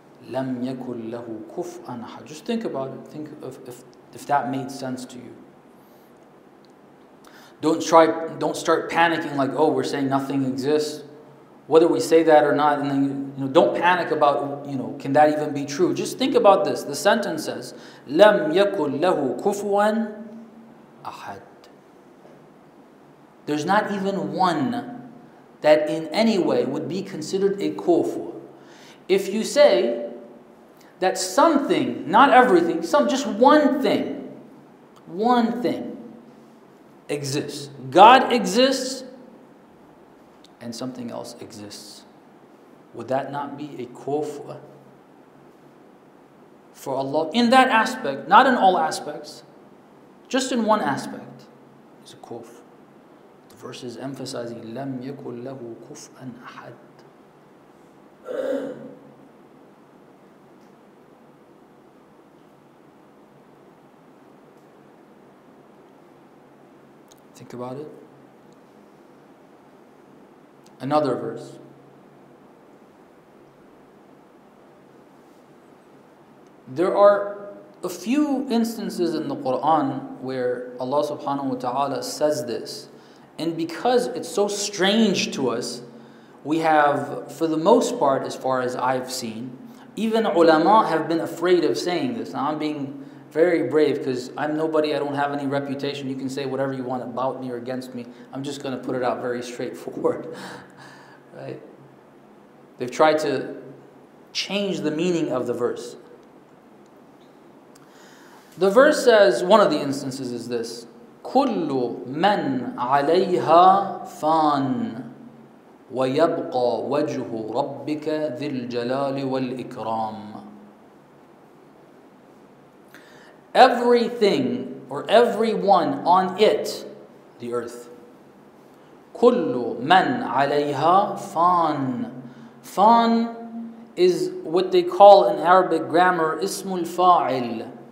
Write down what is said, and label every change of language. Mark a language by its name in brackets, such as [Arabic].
[Arabic] لَمْ يَكُلْ لَهُ كُفْءًا أَحَدٌ. [English] Just think about it. Think of if that made sense to you. Don't start panicking like, oh, we're saying nothing exists. Whether we say that or not, and then you know, don't panic about, you know, can that even be true? Just think about this. The sentence says, [Arabic] لَمْ يَكُلْ لَهُ كُفُوًا أَحَدٌ. [English] There's not even one that in any way would be considered a kufu. If you say that something, not everything, just one thing, exists. God exists and something else exists. Would that not be a kufr for Allah? In that aspect, not in all aspects, just in one aspect, it's a kufr. The verse is emphasizing, [Arabic] لَمْ يَكُلْ لَهُ كُفْءًا أَحَدٌ. [English] Think about it. Another verse. There are a few instances in the Quran where Allah subhanahu wa ta'ala says this. And because it's so strange to us, we have, for the most part, as far as I've seen, even ulama have been afraid of saying this. Now I'm being very brave, because I'm nobody, I don't have any reputation. You can say whatever you want about me or against me. I'm just going to put it out very straightforward. Right? They've tried to change the meaning of the verse. The verse says, one of the instances is this, [Arabic] كُلُّ مَنْ عَلَيْهَا فَانْ وَيَبْقَى وَجْهُ رَبِّكَ ذِي الْجَلَالِ وَالْإِكْرَامِ. [English] Everything or everyone on it, the earth. [Arabic] كُلُّ مَنْ عَلَيْهَا فَان. [English] Fan is what they call in Arabic grammar ismu al-fa'il.